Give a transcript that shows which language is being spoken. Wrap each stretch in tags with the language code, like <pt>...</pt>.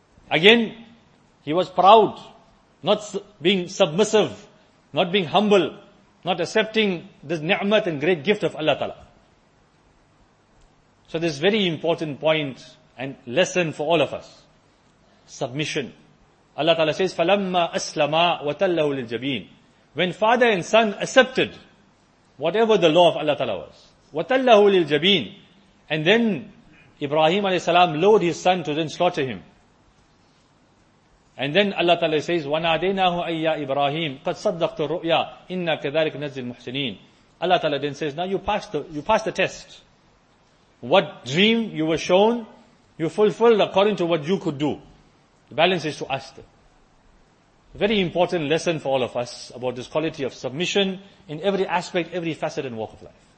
<en>Again, he was proud, not being submissive, not being humble, not accepting this ni'mat and great gift of Allah Ta'ala. So this very important point and lesson for all of us. Submission.</en> <ar>Allah Ta'ala says, فَلَمَّا أَسْلَمَا وَتَلَّهُ لِلْجَبِينَ.</ar> <en>When father and son accepted whatever the law of Allah Ta'ala was.</en> <ar>وَتَلَّهُ لِلْجَبِينَ.</ar> <en>And then Ibrahim alayhi salam lured his son to then slaughter him.</en> <ar>And then Allah Ta'ala says, وَنَادَيْنَاهُ أَيَّا إِبْرَاهِيمُ قَدْ صَدَّقْتُ الرُّؤْيَا إِنَّا كَذَلِكَ نَزِّلْ مُحْسِنِينَ.</ar> <en>Allah Ta'ala then says, now you passed the test. What dream you were shown, you fulfilled according to what you could do. The balance is to us. Very important lesson for all of us about this quality of submission in every aspect, every facet and walk of life.</en>